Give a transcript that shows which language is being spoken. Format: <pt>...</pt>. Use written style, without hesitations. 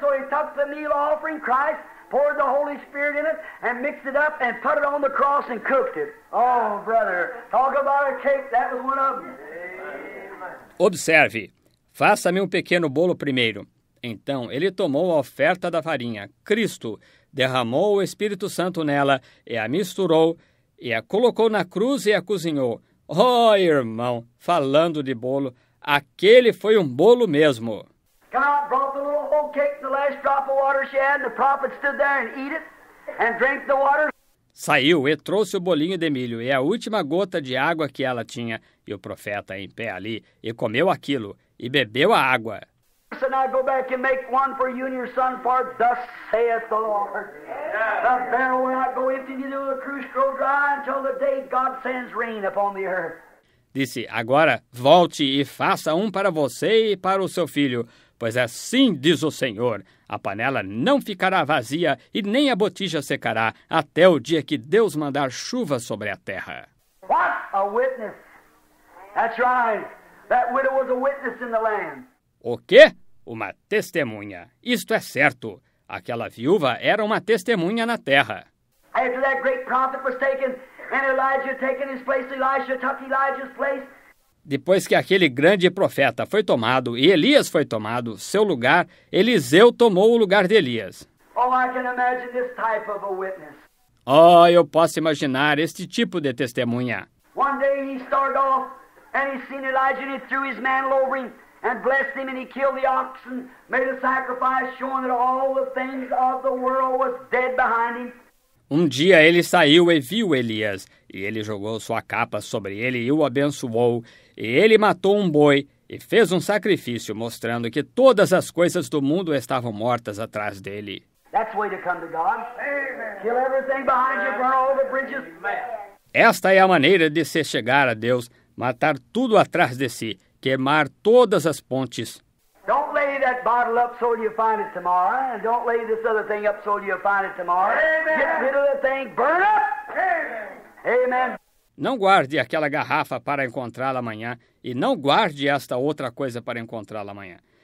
<en>Took the meal offering, Christ poured the Holy Spirit in it and mixed it up and put it on the cross and cooked it. Oh, brother, talk about a cake, that was one of them.</en> <pt>Observe, faça-me um pequeno bolo primeiro. Então, ele tomou a oferta da farinha, Cristo, derramou o Espírito Santo nela e a misturou e a colocou na cruz e a cozinhou. Oh, irmão, falando de bolo, aquele foi um bolo mesmo.</pt> <en>Come out, brought the little whole cake, the last drop of water she had, and the prophet stood there and eat it, and drank the water.</en> <pt>Saiu e trouxe o bolinho de milho e a última gota de água que ela tinha, e o profeta em pé ali, e comeu aquilo, e bebeu a água.</pt> <en>So now go back and make one for you and your son, for thus saith the Lord. The barrel will not go empty, neither will the cruse grow dry, until the day God sends rain upon the earth.</en> <pt>Disse, agora volte e faça um para você e para o seu filho, pois assim diz o Senhor, a panela não ficará vazia e nem a botija secará até o dia que Deus mandar chuva sobre a terra.</pt> <en>What a witness! That's right. That widow was a witness in the land.</en> <pt>O quê? Uma testemunha. Isto é certo. Aquela viúva era uma testemunha na terra.</pt> <en>After that great prophet was taken, and Elijah taking his place, Elisha took Elijah's place.</en> <pt>Depois que aquele grande profeta foi tomado e Elias foi tomado seu lugar, Eliseu tomou o lugar de Elias.</pt> <en>Oh, I can imagine this type of a witness.</en> <pt>Oh, eu posso imaginar este tipo de testemunha.</pt> <en>One day he started off and he seen Elijah and he threw his mantle over him and blessed him and he killed the oxen, made a sacrifice showing that all the things of the world was dead behind him.</en> <pt>Um dia ele saiu e viu Elias, e ele jogou sua capa sobre ele e o abençoou, e ele matou um boi e fez um sacrifício, mostrando que todas as coisas do mundo estavam mortas atrás dele.</pt> <en>That's way to come to God. Amen. Kill everything behind you, burn all the bridges.</en> <pt>Esta é a maneira de se chegar a Deus, matar tudo atrás de si, queimar todas as pontes.</pt> <en>Don't lay that bottle up so you find it tomorrow. And don't lay this other thing up so you find it tomorrow. Amen. Get rid of the thing. Burn up. Amen. Amen.</en> <pt>Não guarde aquela garrafa para encontrá-la amanhã. E não guarde esta outra coisa para encontrá-la amanhã.</pt>